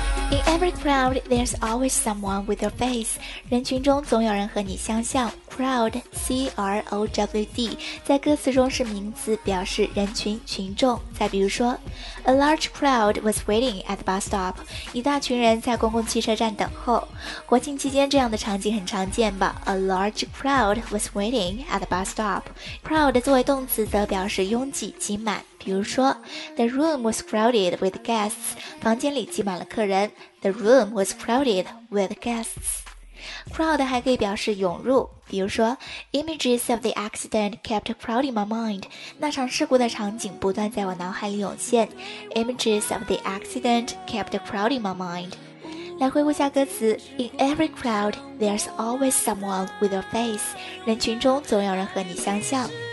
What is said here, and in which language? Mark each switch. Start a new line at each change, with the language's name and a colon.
English: In every crowd, there's always someone with your face.
Chinese: 人群中总有人和你相像。 Crowd, C-R-O-W-D, 在歌词中是名词，表示人群、群众。再比如说
English: ,A large crowd was waiting at the bus stop.
Chinese: 一大群人在公共汽车站等候。国庆期间这样的场景很常见吧
English: ?A large crowd was waiting at the bus stop.
Chinese: Crowd 作为动词则表示拥挤、挤满。比如说 ,
English: The room was crowded with guests.
Chinese: 房间里挤满了客人。
English: The room was crowded with guests. Crowd
Chinese: 还可以表示涌入，比如说
English: Images of the accident kept crowding my mind.
Chinese: 那场事故的场景不断在我脑海里涌现。
English: Images of the accident kept crowding my mind.
Chinese: 来回顾下歌词。
English: In every crowd, there's always someone with your face.
Chinese: 人群中总有人和你相像。